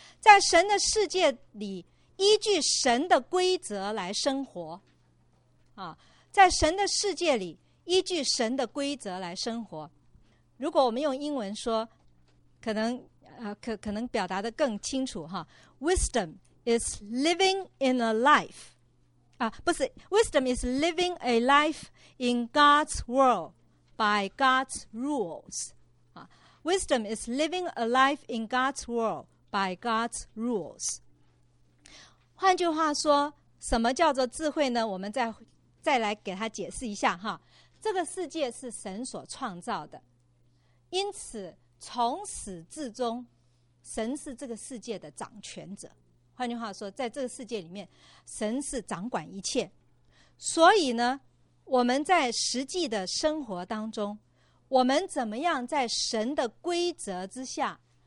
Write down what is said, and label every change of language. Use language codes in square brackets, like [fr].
[zh] 在神的世界里依据神的规则来生活啊，在神的世界里依据神的规则来生活。如果我们用英文说，可能表达的更清楚哈。 [en] Wisdom is living in a life Wisdom is living a life in God's world by God's rules. Wisdom is living a life in God's world by God's rules. [zh] 换句话说，什么叫做智慧呢？我们再来给他解释一下哈。这个世界是神所创造的，因此从始至终，神是这个世界的掌权者。换句话说，在这个世界里面神是掌管一切，所以呢我们在实际的生活当中，我们怎么样在神的规则之下，